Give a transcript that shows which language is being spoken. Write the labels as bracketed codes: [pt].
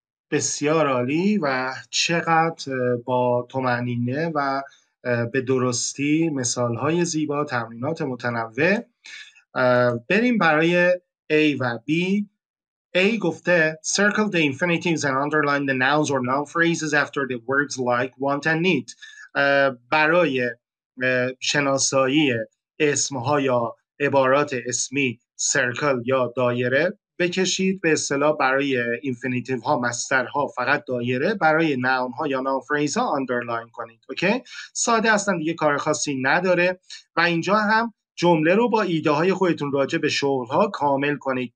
[fa] بسیار عالی و چقدر با تمنینه و به درستی مثال‌های زیبا، تمرینات متنوع. بریم برای A و B. [en] A گفته circle the infinitives and underline the nouns or noun phrases after the words like, want and need. [fa] برای شناسایی اسم ها یا عبارات اسمی سرکل یا دایره بکشید، به اصطلاح برای اینفینیتیو ها مصدر ها فقط دایره، برای نون ها یا نون فریز ها اندرلاین کنید. اوکی، ساده اصلا دیگه کار خاصی نداره. و اینجا هم جمله رو با ایده های خودتون راجع به شغل ها کامل کنید.